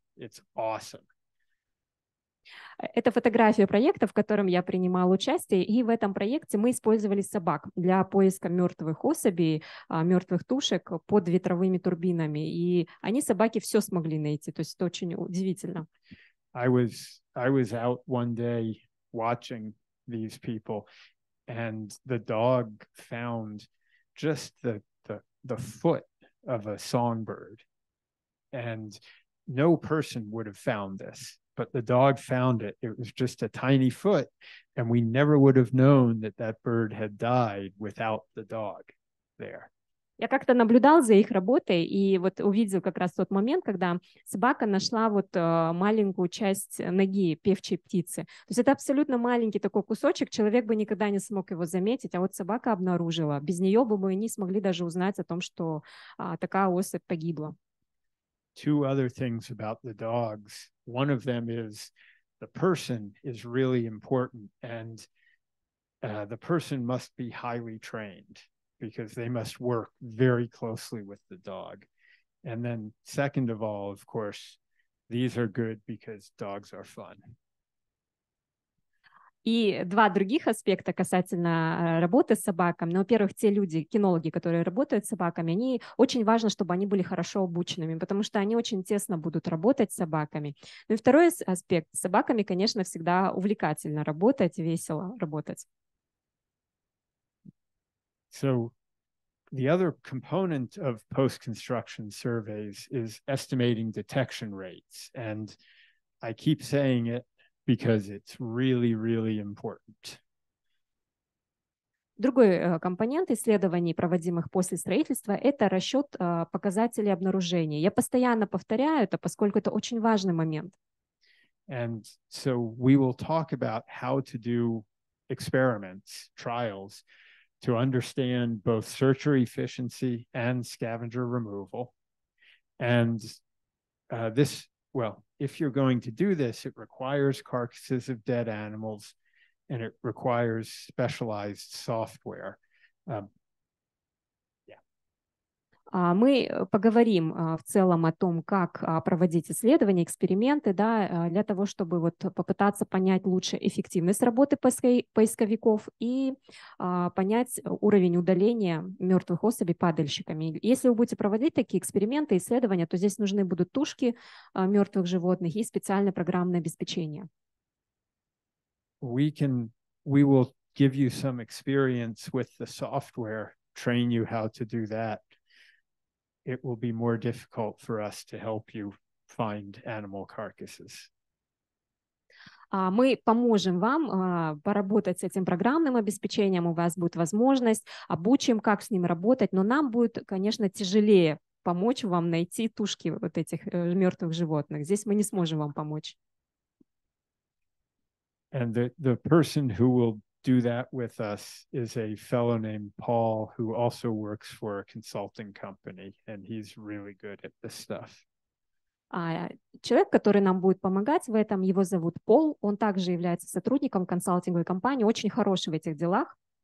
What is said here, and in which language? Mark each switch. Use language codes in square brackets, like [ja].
[en] It's awesome. [ru] Это фотография проекта, в котором я принимал участие, и в этом проекте мы использовали собак для поиска мертвых особей, мертвых тушек под ветровыми турбинами, и они, собаки, все смогли найти, то есть это очень удивительно. [en] I was out one day watching these people, and the dog found just the foot of a songbird, and no person would have found this. But the dog found it. It was just a tiny foot, and we never would have known that that bird had died without the dog there. [ru] Я как-то наблюдал за их работой и вот увидел как раз тот момент, когда собака нашла вот маленькую часть ноги певчей птицы. То есть это абсолютно маленький такой кусочек, человек бы никогда не смог его заметить, а вот собака обнаружила. Без нее бы мы не смогли даже узнать о том, что такая особь погибла. [en] Two other things about the dogs. One of them is the person is really important, and the person must be highly trained because they must work very closely with the dog. And then second of all, of course, these are good because dogs are fun. [ru] И два других аспекта касательно работы с собаками. Ну, во-первых, те люди, кинологи, которые работают с собаками, они очень важно, чтобы они были хорошо обученными, потому что они очень тесно будут работать с собаками. Ну и второй аспект. С собаками, конечно, всегда увлекательно работать, весело работать. [en] So, the other component of post-construction surveys is estimating detection rates. And I keep saying it, because it's really, really important. [ru] Другой компонент исследований, проводимых после строительства, это расчет показателей обнаружения. Я постоянно повторяю это, поскольку это очень важный момент. [en] And so we will talk about how to do experiments, trials, to understand both searcher efficiency and scavenger removal. And this, well, if you're going to do this, it requires carcasses of dead animals, and it requires specialized software. [ru] Мы поговорим в целом о том, как проводить исследования, эксперименты, да, для того, чтобы вот попытаться понять лучше эффективность работы поисковиков и понять уровень удаления мертвых особей падальщиками. Если вы будете проводить такие эксперименты, исследования, то здесь нужны будут тушки мертвых животных и специальное программное обеспечение. [en] We will give you some experience with the software, train you how to do that. It will be more difficult for us to help you find animal carcasses. [ru] Мы поможем вам поработать с этим программным обеспечением, у вас будет возможность, обучим, как с ним работать, но нам будет, конечно, тяжелее помочь вам найти тушки вот этих мертвых животных. Здесь мы не сможем вам помочь. [en] And the person who will do that with us is a fellow named Paul, who also works for a consulting company, and he's really good at this stuff. [ru] Человек, который нам будет помогать в этом, его зовут Пол. Он также является сотрудником консалтинговой компании, очень хороший в этих делах.